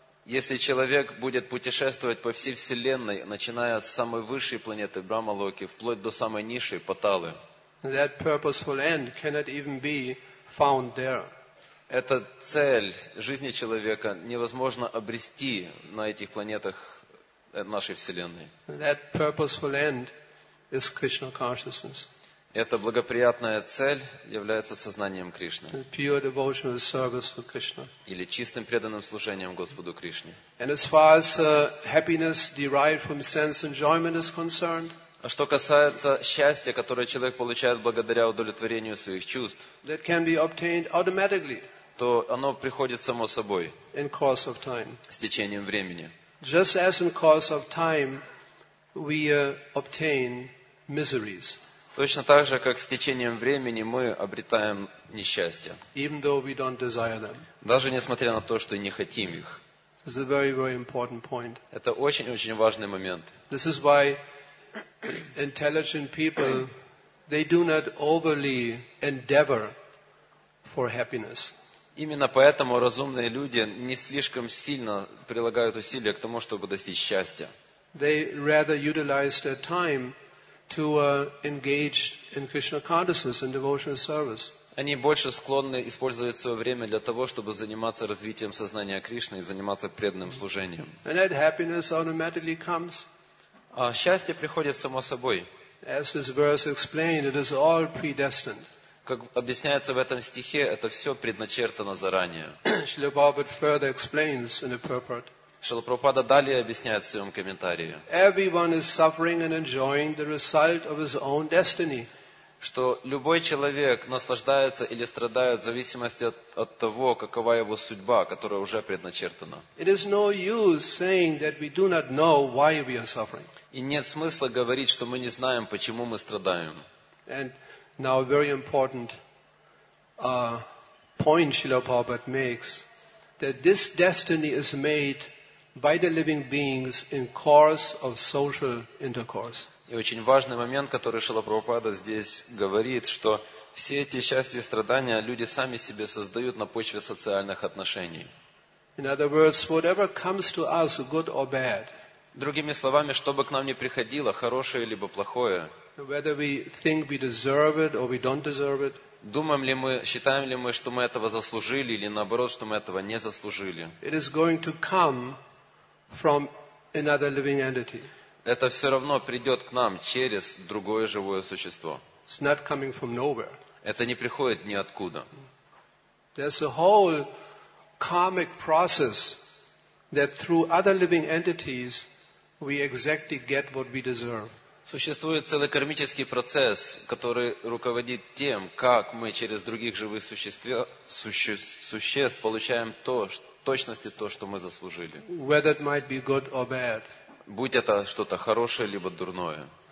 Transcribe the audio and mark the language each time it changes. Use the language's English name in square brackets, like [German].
[Russian] Если человек будет путешествовать по всей вселенной, начиная с самой высшей планеты Брахма Локи вплоть до самой низшей Паталы, [English] that purposeful end cannot even be found there. [Russian] Эта цель жизни человека невозможно обрести на этих планетах нашей вселенной. [English] That purposeful end is Krishna consciousness. [Russian] Эта благоприятная цель является сознанием Кришны. [English] Pure devotional service for Krishna. [Russian] Или чистым преданным служением Господу Кришне. [English] And as far as happiness derived from sense enjoyment is concerned, [Russian] а что касается счастья, которое человек получает благодаря удовлетворению своих чувств, [English] that can be obtained automatically, [Russian] то оно приходит само собой, [English] in course of time, [Russian] с течением времени. [English] Just as in course of time we obtain miseries. [Russian] Точно так же, как с течением времени мы обретаем несчастье. [English] Even though we don't desire them. [Russian] Даже несмотря на то, что не хотим их. [English] This is a very, very important point. [Russian] Это очень-очень важный момент. [English] This is why intelligent people, they do not overly endeavor for happiness. [Russian] Именно поэтому разумные люди не слишком сильно прилагают усилия к тому, чтобы достичь счастья. [English] They rather utilize their time to engage in Krishna consciousness and devotional service. [Russian] Они больше склонны использовать свое время для того, чтобы заниматься развитием сознания Кришны и заниматься преданным служением. [English] And that happiness automatically comes. [Russian] А счастье приходит само собой. [English] As this verse explained, it is all predestined. [Russian] Как объясняется в этом стихе, это все предначертано заранее. [English] Srila Prabhupada further explains in the purport. [Russian] Шрила Прабхупада далее объясняет в своем комментарии. [English] Everyone is suffering and enjoying the result of his own destiny. [Russian] Что любой человек наслаждается или страдает в зависимости от того, какова его судьба, которая уже предначертана. [English] It is no use saying that we do not know why we are suffering. [Russian] И нет смысла говорить, что мы не знаем, почему мы страдаем. [English] And now a very important point Srila Prabhupada makes, that this destiny is made by the living beings in course of social intercourse. [Russian] И очень важный момент, который Шрила Прабхупада здесь говорит, что все эти счастья и страдания люди сами себе создают на почве социальных отношений. [English] In other words, whatever comes to us, good or bad. [Russian] Другими словами, что бы к нам ни приходило, хорошее либо плохое. [English] Whether we think we deserve it or we don't deserve it. [Russian] Думаем ли мы, считаем ли мы, что мы этого заслужили или наоборот, что мы этого не заслужили. [English] It is going to come from another living entity. [Russian] Это все равно придет к нам через другое живое существо. [English] It's not coming from nowhere. [Russian] Это не приходит ниоткуда. [English] There's a whole karmic process that through other living entities we exactly get what we deserve. [Russian] Существует целый кармический процесс, который руководит тем, как мы через других живых существ получаем то, точности то, что мы заслужили. [English] Whether it might be good or bad. [Russian] Будь это что-то хорошее либо дурное.